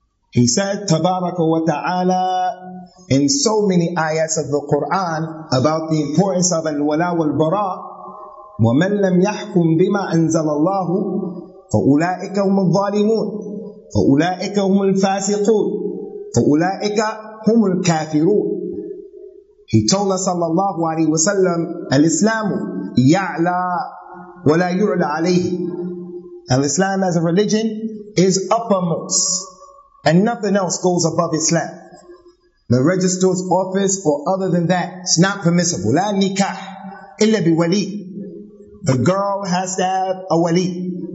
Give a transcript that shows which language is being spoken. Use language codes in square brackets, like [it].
[en] He said, [ar] تبارك وتعالى, [en] in so many ayats of the Quran about the importance of [ar] al-wala wal-bara, وَمَنْ لَمْ يَحْكُمْ بِمَا أَنْزَلَ اللَّهُ فَأُولَٰئِكَ هُمُ الظَّالِمُونَ فَأُولَٰئِكَ هُمُ الْفَاسِقُونَ فَأُولَٰئِكَ هم الكافرون. [en] He told us [ar] صلى الله عليه وسلم الإسلام يعلى ولا يعلى عليه. [en] Islam as a religion is uppermost and nothing else goes above Islam. The register's office or other than that, it's not permissible. [ar] لا نكاح إلا بولي. [en] The girl has to have a wali.